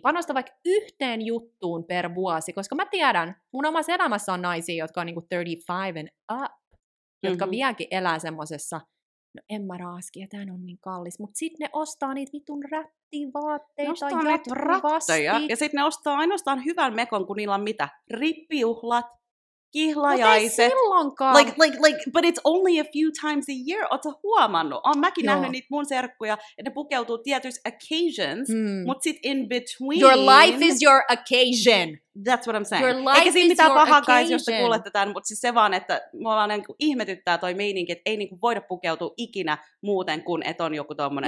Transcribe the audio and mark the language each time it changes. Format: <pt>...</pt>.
<fi>Panosta vaikka yhteen juttuun per vuosi, koska mä tiedän, mun omassa elämässä on naisia, jotka on niinku 35</fi> <en>and up,</en> <fi>jotka vieläkin elää semmosessa, no en mä raaski, ja tämän on niin kallis, mut sit ne ostaa niitä vitun rättivaatteita jatkuvasti. Ja sit ne ostaa ainoastaan hyvän mekon, kun niillä on mitä? Rippijuhlat, kihlajaiset. Mut ei silloinkaan.</fi> <en>Like, but it's only a few times a year.</en> <fi>Ootsä huomannut? Oon mäkin nähnyt niitä mun serkkuja, ja ne pukeutuu tietyissä</fi> <en>occasions,</en> <fi>mut sit</fi> <en>in between. Your life is your occasion. That's what I'm saying. Your life</en> <fi>eikä siinä mitään pahaa kaisi, jos te kuulette tämän, mut siis se vaan, että mulla on niinku ihmetyttää toi meininki, että ei niinku voida pukeutua ikinä muuten kuin, että on joku tommonen</fi>